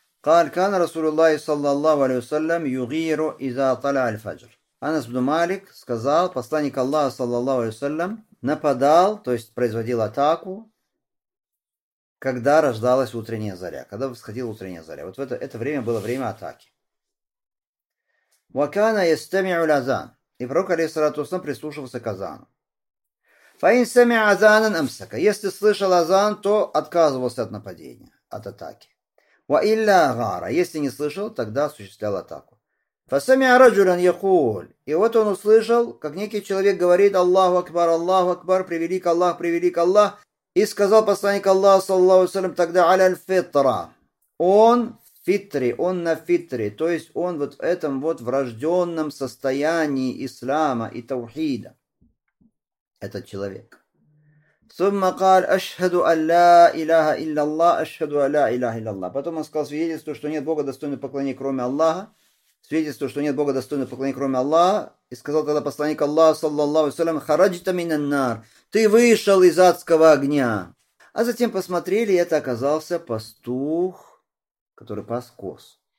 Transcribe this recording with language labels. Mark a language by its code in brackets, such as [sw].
[ar] قال كان رسول الله صلى الله عليه وسلم يغير إذا طلع الفجر. [ru] Анас ибн Малик сказал, посланник Аллаха саллаллаху алейхи ва саллям нападал, то есть производил атаку, когда рождалась утренняя заря, когда восходила утренняя заря. Вот в это время было время атаки. [ar] وكان يستمع الأذان. [ru] И пророк алейхи саллату ва саллям прислушивался к азану. [ar] فإن سمع أذانا أمسك. [ru] Если слышал азан, то отказывался от нападения, от атаки. [ar] وَإِلَّا غَارَ. [ru] Если не слышал, тогда осуществлял атаку. [ar] فَسَمِعَ رَجُلًا يَقُولُ. [ru] И вот он услышал, как некий человек говорит [ar] «Аллаху Акбар, Аллаху Акбар, [ru] превелик Аллах, превелик Аллах». И сказал посланник Аллаха, саллаллаху алейхи ва саллям, тогда [ar] «Аля аль-фитра». [ru] Он в фитре, он на фитре. То есть он вот в этом вот врожденном состоянии ислама и таухида. Этот человек. [ar] ثم قال اشهد ان لا اله الا الله اشهد ان لا اله الا الله. [ru] Потом он сказал свидетельство, что нет бога достойного поклонения кроме Аллаха. Свидетельство, что нет бога достойного поклонения кроме Аллаха. И сказал тогда посланник Аллаха саллаллаху алейхи ва саллям [ar] харажта миннар. [ru] Ты вышел из адского огня. А затем посмотрели, и это оказался пастух, который пас коз.